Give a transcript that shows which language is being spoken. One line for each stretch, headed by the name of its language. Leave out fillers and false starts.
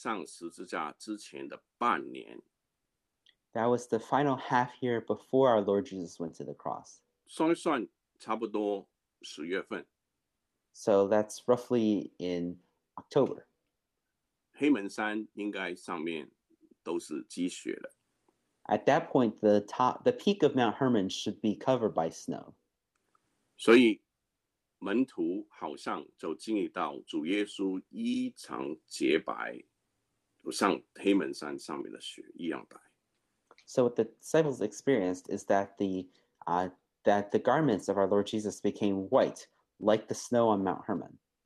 Chinese: 而且那个时候是主耶稣上十字架之前的半年。
English: That was the final half year before our Lord Jesus went to the cross.
Chinese: 算一算差不多10月份。
English: So that's roughly in October.
Chinese: 黑门山应该上面都是积雪了。
English: At that point, the peak of Mount Hermon should be covered by snow.
Chinese: 所以门徒好像就经历到主耶稣衣裳洁白，像黑门山上面的雪一样白。
English: So what the disciples experienced is that the garments of our Lord Jesus became white, like the snow on Mount Hermon.